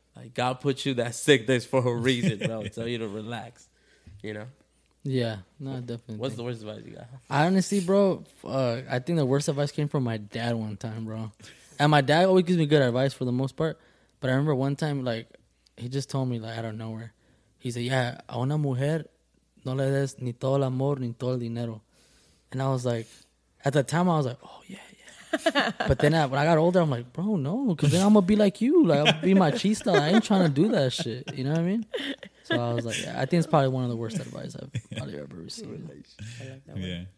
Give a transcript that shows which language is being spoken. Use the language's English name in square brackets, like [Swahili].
[English] Like, God put you that sick days for a reason, bro. So you to relax, you know? Yeah, no, definitely. What's the worst advice you got? Honestly, bro, I think the worst advice came from my dad one time, bro. And my dad always gives me good advice for the most part. But I remember one time, like, he just told me, like, out of nowhere. He said, yeah, [Spanish] a una mujer no le des ni todo el amor ni todo el dinero. [English] And I was like, at the time, I was like, oh, yeah. But then when I got older, I'm like, bro, no, because then I'm gonna be like you, like I'll be my chista. I ain't trying to do that shit. You know what I mean? So I was like, yeah, I think it's probably one of the worst advice I've probably ever received. I like that one. Yeah.